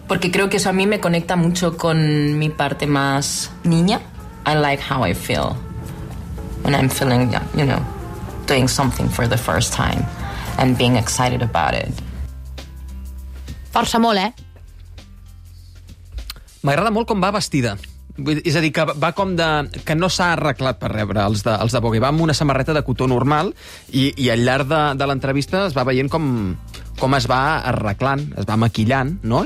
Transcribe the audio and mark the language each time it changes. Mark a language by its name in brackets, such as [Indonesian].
[Spanish] Porque creo que eso a mí me conecta mucho con mi parte más niña. [English] I like how I feel when I'm feeling, you know, doing something for the first time and being excited about it. [Catalan] Força molt, eh? M'agrada molt com va vestida. És a dir, que va com de... que no s'ha arreglat per rebre els de Vogue. Va amb una samarreta de cotó normal i al llarg de l'entrevista es va veient com es va arreglant, es va maquillant, no?